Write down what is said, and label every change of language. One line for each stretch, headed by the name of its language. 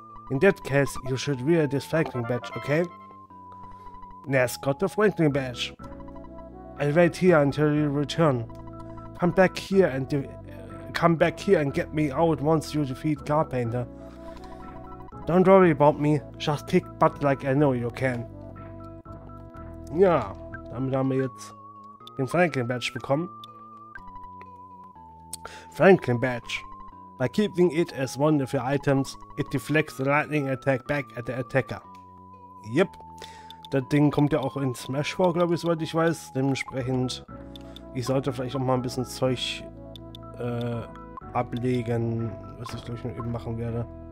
English: In that case, you should wear this Franklin badge, okay? Ness got the Franklin badge. I'll wait here until you return. Come back here and get me out once you defeat Carpenter. Don't worry about me. Just kick butt like I know you can.
German: Ja, damit haben wir jetzt den Franklin Badge bekommen.
English: Franklin Badge. By keeping it as one of your items, it deflects the lightning attack back at the attacker. Yep.
German: Das Ding kommt ja auch in Smash vor, glaube ich, soweit ich weiß. Dementsprechend, ich sollte vielleicht auch mal ein bisschen Zeug ablegen, was ich glaube ich noch eben machen werde.